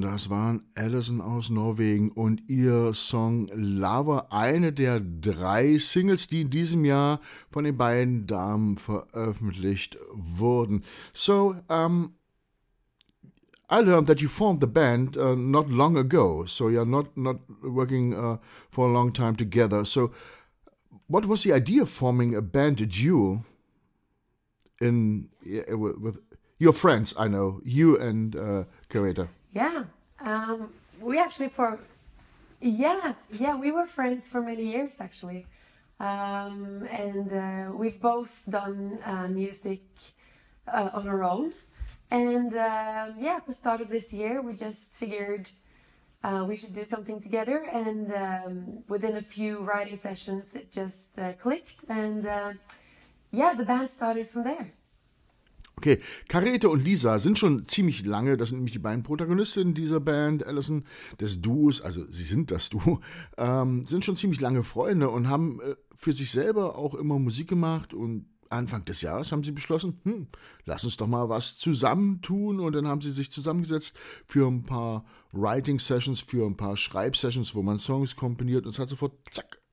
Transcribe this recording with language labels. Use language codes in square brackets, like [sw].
[de] Das waren Allison aus Norwegen und ihr Song Lover, eine der drei Singles, die in diesem Jahr von den beiden Damen veröffentlicht wurden. [en] So, I learned that you formed the band not long ago, so you're not working for a long time together. So, what was the idea of forming a band duo with your friends, I know, you and Carita? Yeah, we actually we were friends for many years, actually. And we've both done music on our own. And at the start of this year, we just figured we should do something together. And within a few writing sessions, it just clicked. And the band started from there. [de] Okay, Carita und Lisa sind schon ziemlich lange, das sind nämlich die beiden Protagonistinnen dieser Band, Allison, des Duos, also sie sind das Duo, sind schon ziemlich lange Freunde und haben für sich selber auch immer Musik gemacht und Anfang des Jahres haben sie beschlossen, lass uns doch mal was zusammentun und dann haben sie sich zusammengesetzt für ein paar Writing-Sessions, für ein paar Schreib-Sessions, wo man Songs komponiert und es hat sofort, zack,